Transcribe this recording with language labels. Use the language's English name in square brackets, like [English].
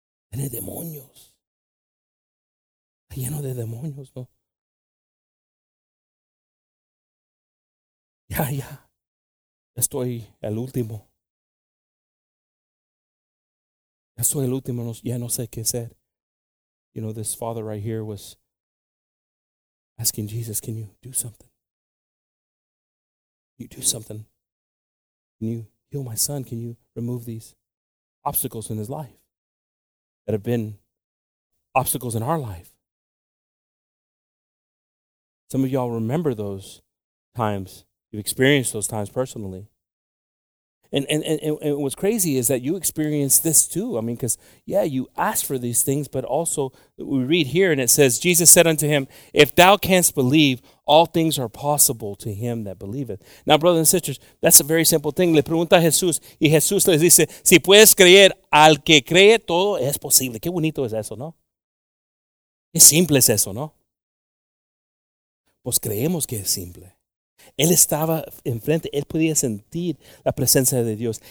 [Spanish] Tiene demonios. Está lleno de demonios, ¿no? Ya. Estoy el último. Soy el último, ya no sé qué hacer. [English] You know, this father right here was asking Jesus, can you do something? Can you do something? Can you heal my son? Can you remove these obstacles in his life that have been obstacles in our life? Some of y'all remember those times. You've experienced those times personally. And what's crazy is that you experienced this too. I mean, because, yeah, you asked for these things, but also we read here and it says, Jesus said unto him, if thou canst believe, all things are possible to him that believeth. Now, brothers and sisters, that's a very simple thing. [Spanish] Le pregunta a Jesús, y Jesús les dice, si puedes creer, al que cree, todo es posible. Qué bonito es eso, ¿no? Qué simple es eso, ¿no? Pues creemos que es simple. Él estaba enfrente, él podía sentir la presencia de Dios.